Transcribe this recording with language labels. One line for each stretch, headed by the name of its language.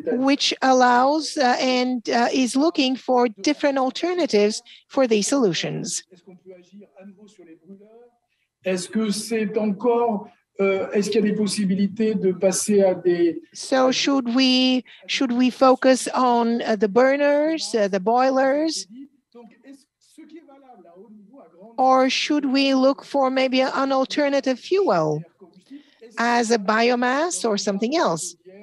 English: Which allows and is looking for different alternatives for these solutions.
French: Est-ce que c'est encore est-ce qu'il y a des possibilités de passer à des
English: So should we focus on the burners, the boilers? Or should we look for maybe an alternative fuel as a biomass or something else?